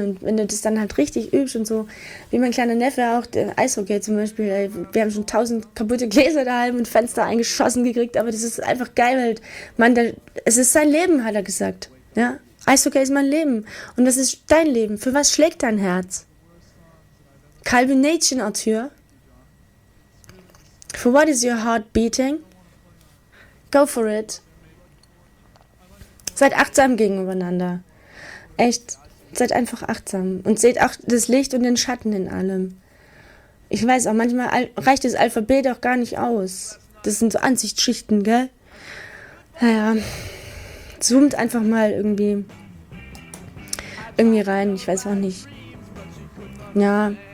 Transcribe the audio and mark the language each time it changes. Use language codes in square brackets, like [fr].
[de] Und wenn du das dann halt richtig übst und so, wie mein kleiner Neffe auch, der Eishockey zum Beispiel, ey, wir haben schon 1000 kaputte Gläser daheim und Fenster eingeschossen gekriegt, aber das ist einfach geil, weil man da, es ist sein Leben, hat er gesagt, ja. Eishockey ist mein Leben. Und das ist dein Leben. Für was schlägt dein Herz? Calvin Nation, Arthur. [en] For what is your heart beating? Go for it. [de] Seid achtsam gegeneinander. Echt. Seid einfach achtsam. Und seht auch das Licht und den Schatten in allem. Ich weiß auch, manchmal reicht das Alphabet auch gar nicht aus. Das sind so Ansichtsschichten, gell? Naja. Zoomt einfach mal irgendwie rein, ich weiß auch nicht. Ja.